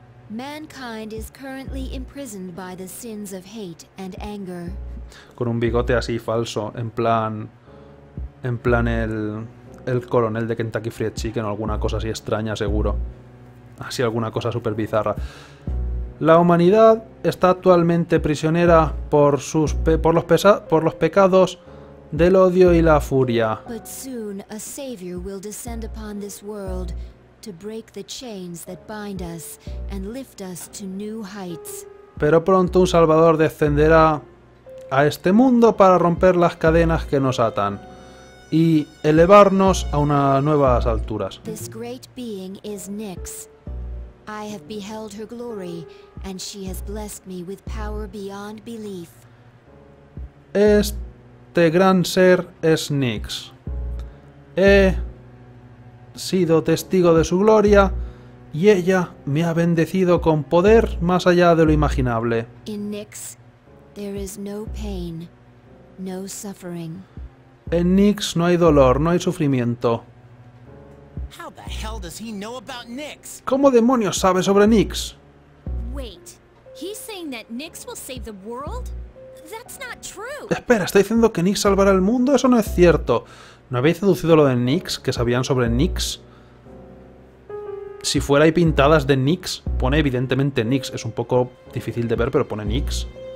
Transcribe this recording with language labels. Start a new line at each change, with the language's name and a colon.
English: Mankind is currently imprisoned by the sins of hate and anger.
Spanish: Con un bigote así falso, en plan el coronel de Kentucky Fried Chicken o alguna cosa así extraña, seguro. Así alguna cosa súper bizarra. La humanidad está actualmente prisionera por los pecados del odio y la furia.
English: But soon a savior will descend upon this world. To break the chains that bind us and lift us to new heights.
Spanish: Pero pronto un salvador descenderá a este mundo para romper las cadenas que nos atan y elevarnos a unas nuevas alturas.
English: This great being is Nyx. I have beheld her glory and she has blessed me with power beyond belief.
Spanish: Este gran ser es Nyx. Sido testigo de su gloria y ella me ha bendecido con poder más allá de lo imaginable.
English: In Nyx, there is no pain, no suffering.
Spanish: En Nyx no hay dolor, no hay sufrimiento.
English: How the hell does he know about Nyx?
Spanish: ¿Cómo demonios sabe sobre Nyx?
English: Wait, he's saying that Nyx will save the world? That's not true.
Spanish: Espera, ¿está diciendo que Nyx salvará el mundo? Eso no es cierto. ¿No habéis deducido lo de Nyx? ¿Que sabían sobre Nyx? Si fuera ahí pintadas de Nyx, pone evidentemente Nyx. Es un poco difícil de ver, pero pone Nyx.